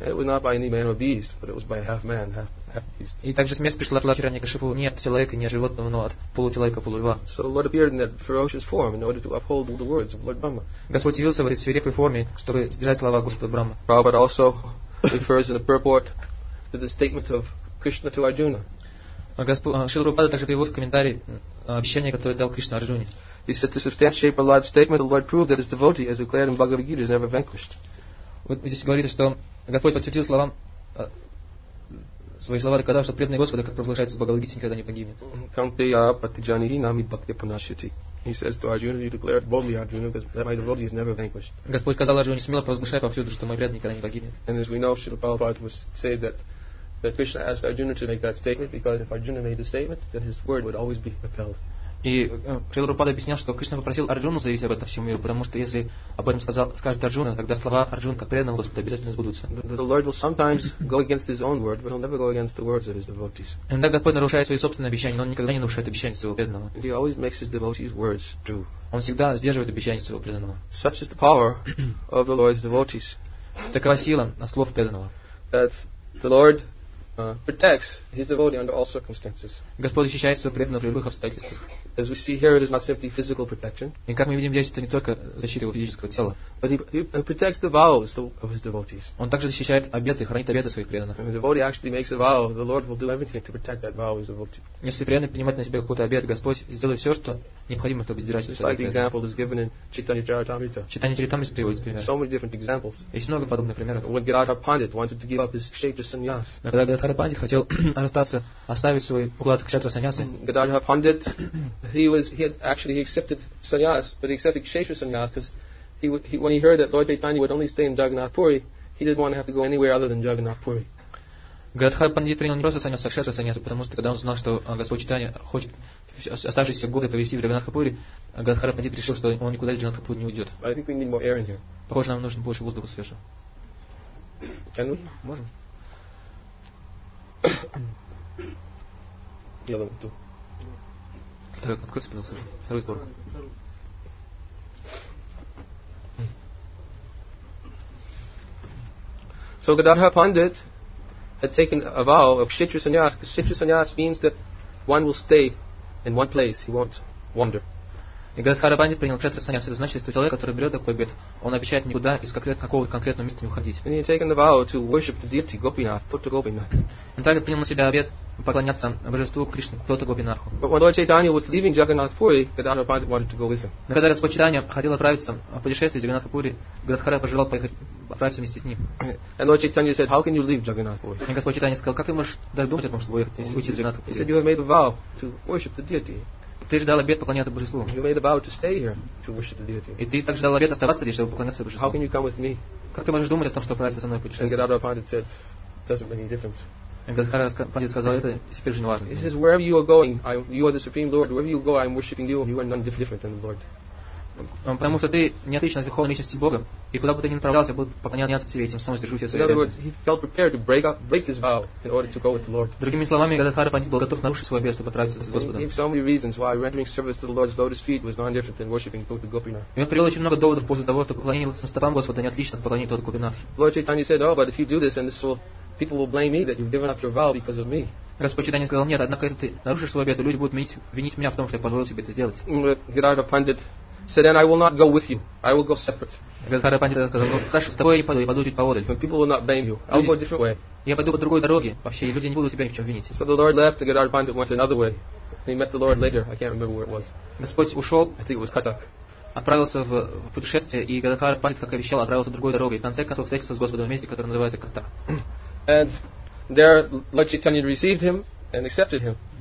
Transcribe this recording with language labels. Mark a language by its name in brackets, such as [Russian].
[English] It was not by any man or beast, but it was by half man, half beast. [Russian] И также смерть пришла от Хираньякашипу не от человека, не от животного, но от получеловека, полулва. [English] So Lord appeared in that ferocious form in order to uphold the words of Lord Brahma. [Russian] Господь явился в этой свирепой форме, чтобы сдержать слова Господа Брахмы. [English] Prabhupada also refers in the purport to the statement of Krishna to Arjuna. [Russian] Шрила Прабхупада также привел в комментарии обещание, которое дал Кришна Арджуне. [English] He said, to substantiate Prahlad's statement, the Lord proved that his devotee, as declared in Bhagavad Gita, is never vanquished. [Russian] Вот здесь говорится, что Господь подтвердил словам свои слова, доказав, что преданный Господа, как провозглашается в Бхагавад Гите, никогда не погибнет. [Sanskrit] Kanteya patijanihi nami bhakti punashyati. [English] He says to Arjuna, you declare it boldly, Arjuna, that my devotee is never vanquished. [Russian] Господь сказал Арджуне, смело провозглашай повсюду, что мой преданный никогда не погибнет. [English] And as we know, Шрила Прабхупада was said that Krishna asked Arjuna to make that statement, because if Arjuna made the statement, then his word would always be upheld. [Russian] И Шрила Прабхупада объяснял, что Кришна попросил Арджуну заявить об этом всему миру, потому что если об этом скажет Арджуна, тогда слова Арджуна как преданного Господа обязательно сбудутся. [English] The Lord will sometimes go against his own word, but he'll never go against the words of his devotees. [Russian] Иногда Господь нарушает свои собственные обещания, но он никогда не нарушает обещания своего преданного. [English] He always makes his devotees' words true. [Russian] Он всегда сдерживает обещания своего преданного. [English] Such is the power of the Lord's devotees. [Russian] Такова сила слов преданного. [English] That the Lord protects his devotee under all circumstances. [Russian] Господь защищает своего преданного при любых обстоятельствах. [English] As we see here, it is not simply physical protection. [Russian] И как мы видим здесь, это не только защита его физического тела. [English] But he protects the vows of his devotees. [Russian] Он также защищает обеты, хранит обеты своих преданных. [English] When the devotee actually makes a vow, the Lord will do everything to protect that vow of his devotee. [Russian] Если преданный принимает на себя какой-то обет, Господь сделает все, что необходимо, чтобы сдержать этот обет. [English] Like the example is given in Chaitanya Charitamrita. [Russian] Chaitanya Charitamrita приводит пример. [English] So many different examples. [Russian] Есть много подобных примеров. [English] When Gadadhara Pandit wanted to give up his kshetra sannyas. [Russian] Когда Гададхара Пандит хотел оставить свой уклад кшетра саньясы. [English] Gadadhara Pandit he accepted sannyas, but he accepted kshetra sannyas because when he heard that Lord Chaitanya would only stay in Jagannath Puri, he didn't want to have to go anywhere other than Jagannath Puri. [Russian] Гададхара Пандит принял не просто саньяс, а кшетра саньяс, потому что когда он узнал, что Господь Чайтанья хочет оставшиеся годы провести в Джаганнатхапури, Гададхара Пандит решил, что он никуда из Джаганнатхапури не уйдет. [English] I think we need more air in here. [Russian] Похоже, нам нужно больше воздуха свежего. [English] Can we? [Russian] Можем. Я думаю, ту. Так, откройте, пожалуйста, второй сбор. [English] So Gadadhara Pandit had taken a vow of kshetra sannyas, because kshetra sannyas means that one will stay in one place, he won't wander. [Russian] И Гададхара Пандит принял кшетра саньяс. Это значит, что человек, который берет такой обет, он обещает никуда из какого-то конкретного места не уходить. Он также принял на себя обет поклоняться божеству Кришне, Тота Гопинатху. Но когда Господь Чайтанья хотел отправиться в путешествие из Джаганнатхапури, Гададхара пожелал поехать отправиться вместе с ним. [English] And Lord Chaitanya said, how can you leave Jagannathpuri? [Russian] И Господь Чайтанья сказал, как ты можешь даже думать о том, чтобы уйти из Джаганнатхапури? [English] He said, you have made a vow to worship the deity. [Russian] Ты же дал обет поклоняться Божеству. [English] You made a vow to stay here to worship the deity. [Russian] И ты также дал обет оставаться здесь, чтобы поклоняться Божеству. [English] How can you come with me? [Russian] Как ты можешь думать о том, что отправиться со мной в путешествие? [English] And Gadadhara Pandit said, doesn't make any difference. [Russian] И Гададхара Пандит сказал, это теперь уже не важно. [English] He says, wherever you are going, you are the supreme Lord. Wherever you go, I am worshiping you. You are none different than the Lord. [Russian] Потому что ты не отличен от верховной личности Бога, и куда бы ты ни направлялся, буду поклоняться тебе, этим сам сдержу тебя. [English] In other words, he felt prepared to break his vow in order to go with the Lord. [Russian] Другими словами, Гададхара Пандит был готов нарушить свое обет, чтобы отправиться с Господом. [English] He gave so many reasons why rendering service to the Lord's lotus feet was no different than worshiping Tota Gopinath. [Russian] И он привел очень много доводов после того, что поклонение лотосным стопам Господа не отлично от поклонения Тота Гопинатхи. [English] Lord Chaitanya said, oh, but if you do this, then this will people will blame me that you've given up your vow because of me. [Russian] Господь Чайтанья сказал, нет, однако если ты нарушишь свой обет, люди будут винить меня в том, что я позволил себе это сделать. [English] Gadadhara Pandit said, then I will not go with you. I will go separate. [Russian] Гададхара Пандит сказал, хорошо, с тобой я не пойду, я пойду чуть поодаль. [English] But people will not blame you. I'll go a different way. [Russian] Я пойду по другой дороге. Вообще, люди не будут тебя ни в чем винить. [English] So the Lord left, and Gadadhara Pandit went another way. He met the Lord later. I can't remember where it was. [Russian] Господь ушел. [English] I think it was Katak. [Russian] Отправился в путешествие, и Гададхара Пандит, как обещал, отправился другой дорогой. В конце концов, встретился с Господом в месте, которое называется Катак. [English] And there, Lord Chaitanya received him and accepted him.